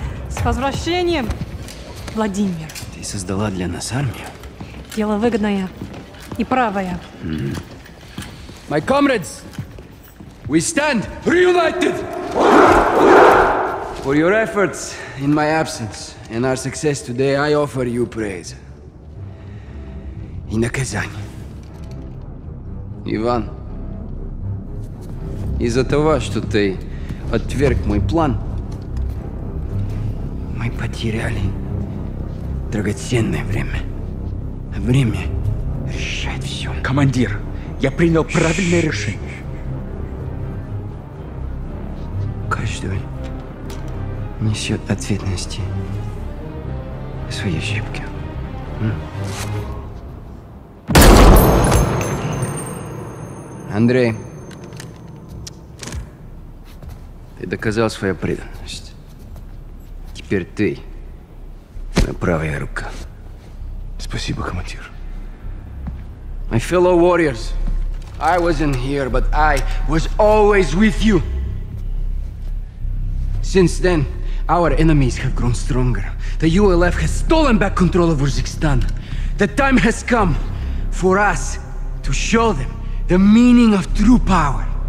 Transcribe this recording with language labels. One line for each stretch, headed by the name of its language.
Russian: С возвращением, Владимир. Ты создала для нас армию? Дело выгодное и правое.
English: My comrades, we stand reunited for your efforts in my absence and our success today. I offer you praise in the Kazan.
Russian: Иван, из-за того, что ты отверг мой план, мы потеряли драгоценное время. Время решает все. Командир. Я принял правильное решение. Каждый несет ответственность за свои ошибки. Андрей, ты доказал свою преданность. Теперь ты моя правая рука. Спасибо, командир.
English: My fellow warriors, I wasn't here, but I was always with you. Since then, our enemies have grown stronger. The ULF has stolen back control of Uzbekistan. The time has come for us to show them the meaning of true power.